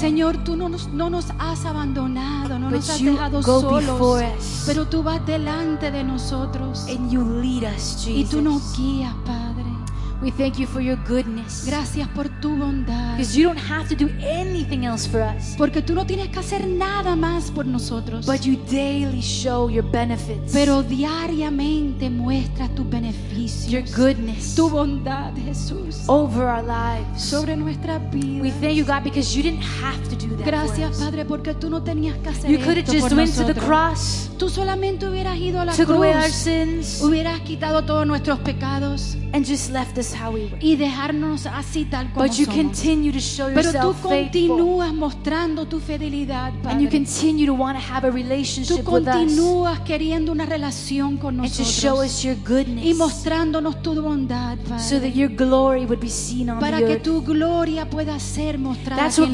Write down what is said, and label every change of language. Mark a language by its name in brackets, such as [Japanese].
[Spanish] Señor, tú no nos has abandonado, no nos has dejado solos. [English] But you go before us. [Spanish] Pero tú vas delante de nosotros. [English] And you lead us, Jesus. [Spanish] Y tú nos guías, Padre. [English] We thank you for your goodness. [Spanish] Gracias por tu bondad. [English] Because you don't have to do anything else for us. [Spanish] Porque tú no tienes que hacer nada más por nosotros. [English] But you daily show your benefits. [Spanish] Pero diariamente muestra tus beneficios. [English] Your goodness. [Spanish] Tu bondad, Jesús. [English] Over our lives. [Spanish] Sobre nuestras vidas. [English] We thank you, God, because you didn't have to do that. [Spanish] Gracias, Padre, porque tú no tenías que hacer esto. [English] You could have just went to the cross. [Spanish] Tú solamente hubieras ido a la cruz. [English] Took away our sins. [Spanish] Hubieras quitado todos nuestros pecados. [English] And just left us how we were. [Spanish] Y dejarnos así tal como somos. [English] But you continue to show yourself faithful. [Spanish] Pero tú continúas mostrando tu fidelidad, Padre. [English] And you continue to want to have a relationship with us. [Spanish] Tú continúas queriendo una relación con nosotros. [English] And to show us your goodness. [Spanish] Y mostrándonos tu bondad, Padre. [English] So that your glory would be seen on the earth. [Spanish] Para que tu gloria pueda ser mostrada en la tierra.